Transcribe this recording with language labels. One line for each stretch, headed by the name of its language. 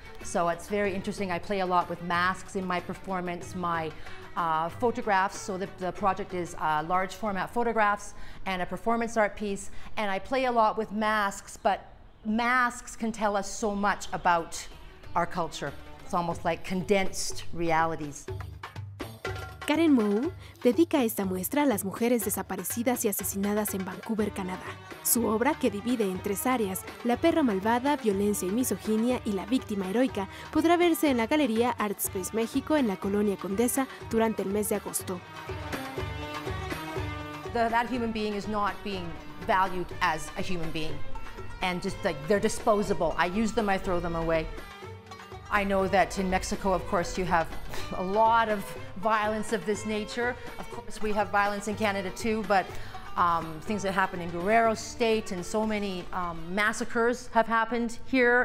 English: So it's very interesting. I play a lot with masks in my performance, my photographs. So the project is large format photographs and a performance art piece. And I play a lot with masks, but masks can tell us so much about our culture. It's almost like condensed realities.
Spanish: Karen Mou dedica esta muestra a las mujeres desaparecidas y asesinadas en Vancouver, Canadá. Su obra, que divide en tres áreas, la perra malvada, violencia y misoginia y la víctima heroica, podrá verse en la Galería Art Space México en la Colonia Condesa durante el mes de agosto.
English: That human being is not being valued as a human being. And just like they're disposable. I use them, I throw them away. I know that in Mexico, of course, you have a lot of violence of this nature. Of course, we have violence in Canada too, but things that happen in Guerrero State and so many massacres have happened here.